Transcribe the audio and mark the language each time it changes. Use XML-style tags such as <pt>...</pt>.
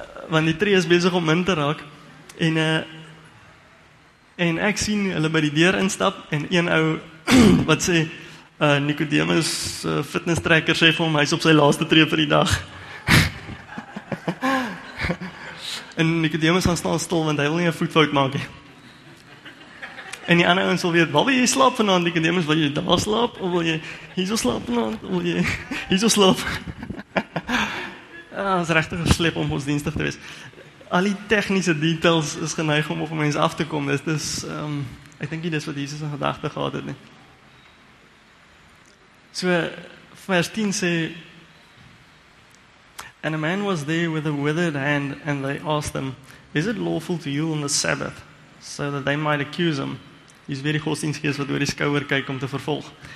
<af>Want die tree is bezig om min te raak, en ek sien hulle by die deur instap, en een ou, wat sê, Nicodemus, fitness tracker, sê vir hom, hy is op sy laaste tree vir die dag. En Nicodemus gaan staan stil, want hy wil nie een voetfout maak. En die ander ons wil weet, wat wil jy slaap vanavond, Nicodemus? Wil jy daar slaap, of wil jy hier so slaap vanavond, of wil jy hier so slaap? Dat is rechtig geslip om godsdienstig te wees. Al die technische details is geneig om op een mens af te kom, dus ek denk nie, dis wat Jesus in gedagte gehad het nie. So, vers 10 sê,</af> <en>and a man was there with a withered hand, and they asked him, is it lawful to heal on the Sabbath, so that they might accuse him?</en> <af>Hier is weer die godsdienstgees wat oor die skouer kyk om te vervolg.</af>